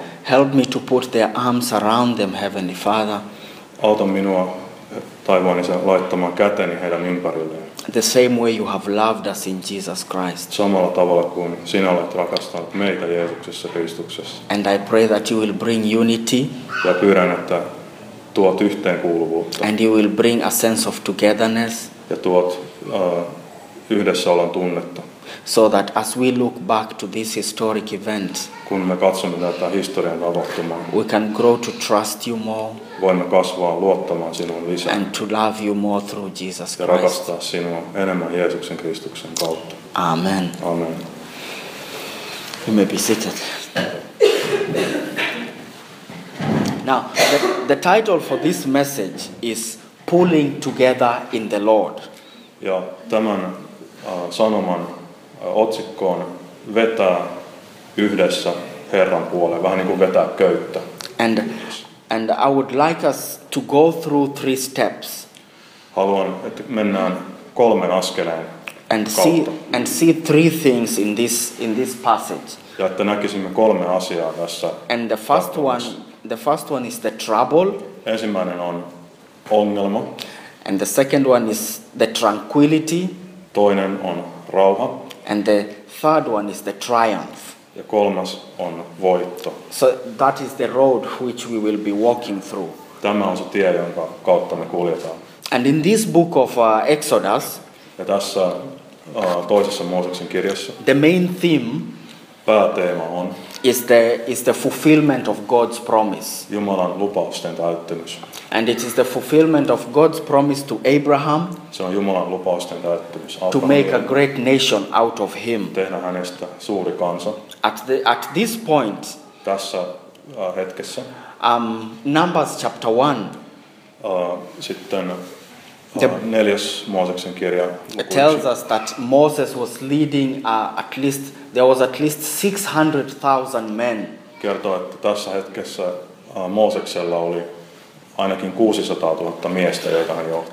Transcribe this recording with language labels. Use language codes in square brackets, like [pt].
[en] Help me to put their arms around them, Heavenly Father. [fi] Auta minua, taivaan Isä, laittamaan käteni heidän ympärilleen. [en] The same way you have loved us in Jesus Christ. [fi] Samalla tavalla kuin sinä olet rakastanut meitä Jeesuksessa Kristuksessa. [en] And I pray that you will bring unity. [fi] Ja pyydän, että tuot yhteenkuuluvuutta. [en] And you will bring a sense of togetherness. [fi] Ja tuot yhdessäolon tunnetta. [en] So that as we look back to this historic event, [fi] kun me katsomme tätä historian tapahtumaa, [en] we can grow to trust you more. [fi] Voimme kasvaa luottamaan sinuun lisää. [en] And to love you more through Jesus Christ. [fi] Ja rakastaa sinua enemmän Jeesuksen Kristuksen kautta. [en] Amen. [fi] Amen. [en] You may be seated. Now, the title for this message is Pulling Together in the Lord. [fi] Ja tämän sanoman otsikkoon vetää yhdessä Herran puoleen, vähän niin kuin vetää köyttä. [en] And I would like us to go through three steps. [fi] Haluan, että mennään kolmen askeleen [en] and [fi] kautta. [en] See three things in this passage. [fi] Ja että näkisimme kolme asiaa tässä. [en] And the first one is the trouble. [fi] Ensimmäinen on ongelma. [en] And the second one is the tranquility. [fi] Toinen on rauha. [en] And the third one is the triumph. [fi] Ja kolmas on voitto. [en] So that is the road which we will be walking through. [fi] Tämä on se tie, jonka kautta me kuljetaan. [en] And in this book of Exodus, [fi] ja tässä toisessa Mooseksen kirjassa, [en] the main theme, [fi] pääteema on, [en] is the fulfillment of God's promise. [fi] Jumalan lupausten täyttymys. [en] And it is the fulfillment of God's promise to Abraham. [fi] Se on Jumalan lupausten täyttymys. [en] To make a great nation out of him. [fi] Tehdä hänestä suuri kansa. [en] At this point. [fi] Tässä hetkessä. [en] Numbers chapter 1. [fi] Sitten neljäs Mooseksen kirja. [en] It tells us that Moses was leading at least there was at least 600,000 men. [fi] Kertoo, että tässä hetkessä Mooseksella oli ainakin 600,000 miestä, joita hän johti.